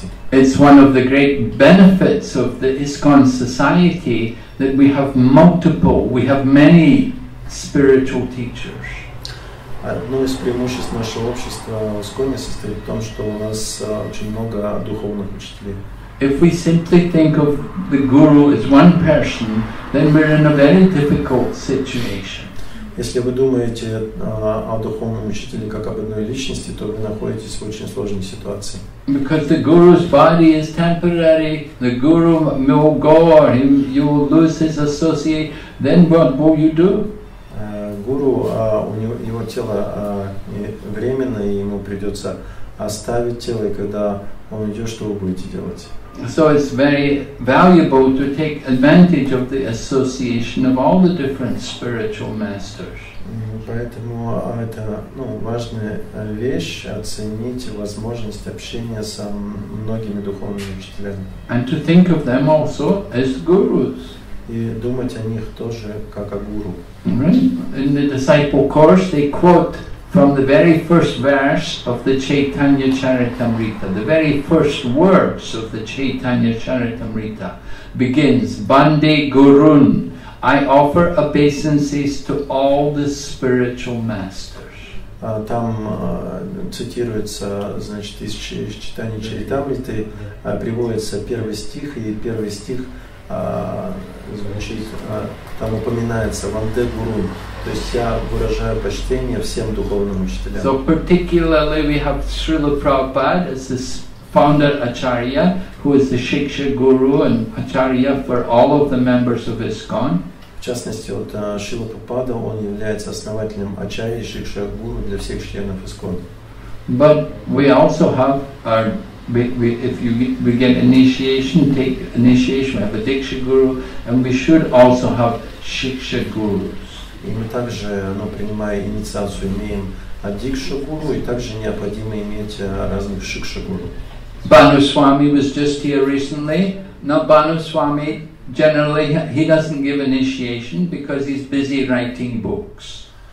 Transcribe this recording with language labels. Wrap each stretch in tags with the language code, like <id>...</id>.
<en>It's one of the great benefits of the ISKCON society that we have multiple, we have many spiritual teachers.</en> <ru>Одно из преимуществ нашего общества ISKCON состоит в том, что у нас очень много духовных учителей.</ru> <en>If we simply think of the guru as one person, then we're in a very difficult situation.</en> <ru>Если вы думаете о духовном учителе как об одной личности, то вы находитесь в очень сложной ситуации.</ru> <en>Because the guru's body is temporary, the guru will go or you will lose his associate, then what will you do?</en> <ru>Гуру, его тело временное, и ему придется оставить тело, и когда он уйдет, что вы будете делать?</ru> <en>So it's very valuable to take advantage of the association of all the different spiritual masters.</en> <ru>Поэтому это важная вещь оценить возможность общения с многими духовными учителями.</ru> <en>And to think of them also as gurus.</en> <ru>И думать о них тоже как о гуру.</ru> <en>Right? In the disciple course, they quote from the very first verse of the Chaitanya Charitamrita. The very first words of the Chaitanya Charitamrita begins, Bande Gurun, I offer obeisances to all the spiritual masters.</en> <ru>Там цитируется, значит, из Чайтаньи Чаритамриты, приводится первый стих, и первый стих звучит, там упоминается Ванде Гурун, то есть я выражаю почтение всем духовным учителям.</ru> <en>So particularly we have Srila Prabhupada as the founder Acharya, who is the Shiksha Guru and Acharya for all of the members of ISKCON.</en> <ru>В частности, вот Шрила Прабхупада, он является основателем Ачарьи и Шикша Гуру для всех членов ISKCON.</ru> <en>But we also have our If we get initiation, take initiation, we have a Diksha Guru, and we should also have Shiksha Gurus.</en> <ru>И мы также, принимая инициацию, имеем Дикша Гуру, и также необходимо иметь разных Шикша Гуру.</ru> <en>Бану Свами was just here recently. Now Бану Свами, generally, he doesn't give initiation because he's busy writing books.</en>